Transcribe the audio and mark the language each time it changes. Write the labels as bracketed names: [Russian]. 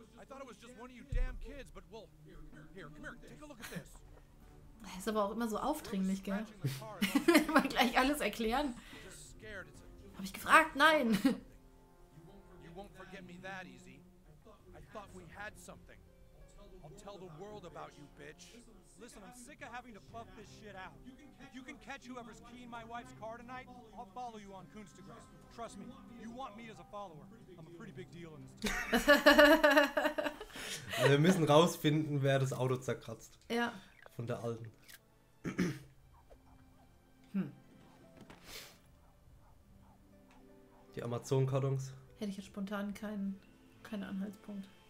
[English] I thought it was just one of you damn kids, but well, here, come here, take a look at this. [German] Er ist aber auch immer so aufdringlich, gell? Mal gleich alles erklären. Hab ich gefragt? Nein. [English] You won't forget me that easy. I thought we had something. I'll tell the world about you, bitch. Listen, I'm sick of having to puff this shit out. If you can catch whoever's keying my wife's car tonight, I'll follow you on Coonstagram. Trust me, you want me as a follower. I'm a pretty big deal in this town. [German] Also wir müssen rausfinden, wer das Auto zerkratzt. Ja. Von der Alten. Die Amazon-Kartons. Hätte ich jetzt spontan keinen Anhaltspunkt.